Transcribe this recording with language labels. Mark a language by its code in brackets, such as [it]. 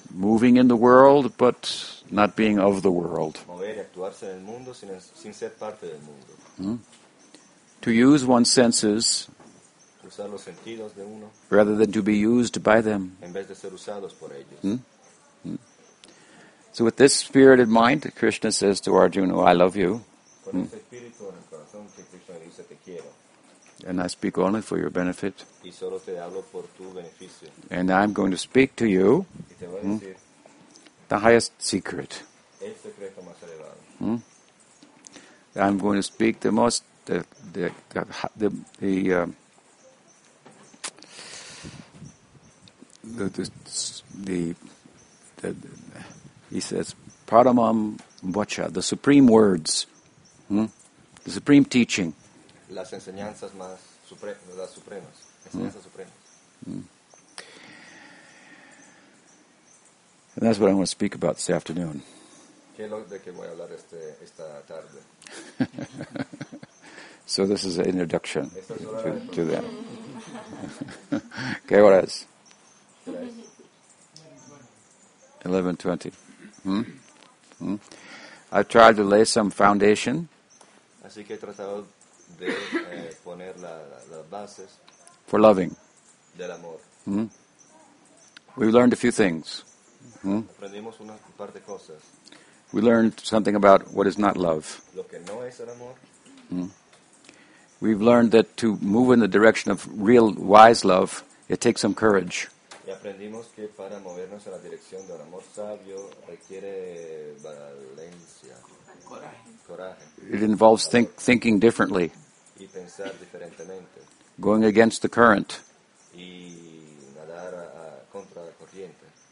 [en] Moving in the world, but not being of the world. [es] Mover y actuarse en el mundo sin ser parte del mundo. [en] To use one's senses [es] usar los sentidos de uno, [en] rather than to be used by them. [es] En vez de ser usados por ellos. [en] So with this spirit in mind, Krishna says to Arjuna, I love you. And I speak only for your benefit. [es] Y solo te hablo por tu beneficio. [en] And I'm going to speak to you the highest secret. [es] El secreto más elevado. [en] I'm going to speak the most he says paramam vacha, the supreme words, the supreme teaching, [es] las enseñanzas más las supremas, enseñanzas supremas. [en] And that's what I want to speak about this afternoon. [es] ¿Qué es lo de que voy a hablar esta tarde? [en] So this is an introduction to that. [es] ¿Qué hora es? [en] 11:20. I tried to lay some foundation. [es] Así que he tratado de poner las bases. [en] For loving. [es] Del amor. [en] We learned a few things. [es] Aprendimos un par de cosas. [en] We learned something about what is not love. [es] Lo que no es el amor. [en] We've learned that to move in the direction of real, wise love, it takes some courage. [es] Y aprendimos que para movernos en la dirección del amor sabio requiere valencia. Coraje. [en] It involves thinking differently. [es] Y pensar diferentemente. [en] Going against the current. [es] Y nadar contra la corriente.